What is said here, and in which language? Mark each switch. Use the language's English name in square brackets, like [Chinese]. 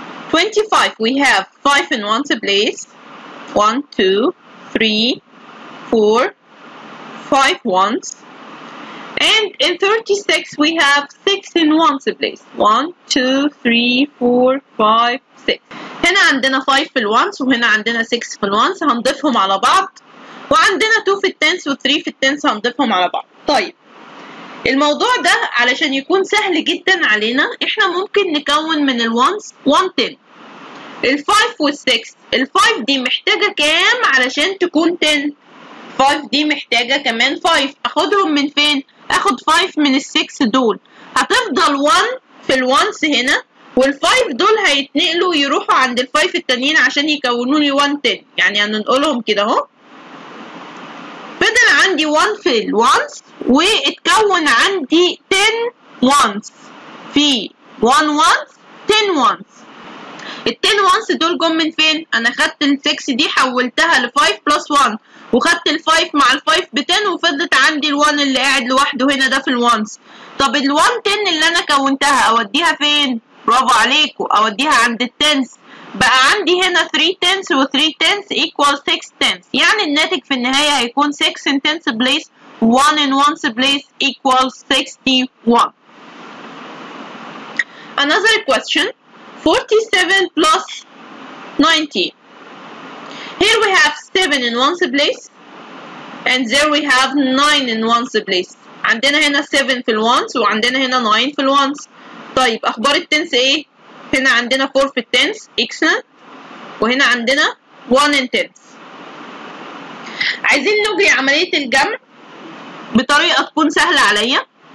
[English] 25, we have 5 in one place, 1, 2, 3, 4, 5 ones, and in 36, we have 6 in one place, 1, 2, 3, 4, 5, 6. [Arabic] هنا عندنا 5 في الوانس وهنا عندنا 6 في الوانس، هنضيفهم على بعض، وعندنا 2 في التنس و 3 في التنس هنضيفهم على بعض. طيب الموضوع ده علشان يكون سهل جدا علينا، احنا ممكن نكون من الوانس 1 10. ال 5 وال 6، ال 5 دي محتاجة كام علشان تكون 10؟ 5 دي محتاجة كمان 5. أخدهم من فين؟ أخد 5 من ال 6 دول، هتفضل 1 في ال 1 هنا، وال 5 دول هيتنقلوا يروحوا عند ال 5 التانيين عشان يكونوا لي 1 10، يعني هننقلهم كده أهو. فضل عندي 1 في ال 1 واتكون عندي 10 ones. في 1 ones 10 ones. ال 10 ones دول جم من فين؟ انا خدت ال 6 دي حولتها ل 5 plus 1 وخدت ال 5 مع ال 5 ب 10 وفضلت عندي ال 1 اللي قاعد لوحده هنا ده في ال ones. طب ال 1 10 اللي انا كونتها اوديها فين؟ برافو عليكو، اوديها عند ال 10s. بقى عندي هنا 3 tens و 3 tens [English] equals 6 tens، [Arabic] يعني الناتج في النهاية هيكون [English] 6 in tens place 1 in ones place equals 61. Another question 47 plus 90. Here we have 7 in ones place and there we have 9 in ones place. [Arabic] عندنا هنا 7 في الones وعندنا هنا 9 في الones. طيب أخبار التنس إيه؟ هنا عندنا 4 في التنس excellent وهنا عندنا [English] 1 in tens. [Arabic] عايزين نجري عملية الجمع بطريقة تكون سهلة عليا.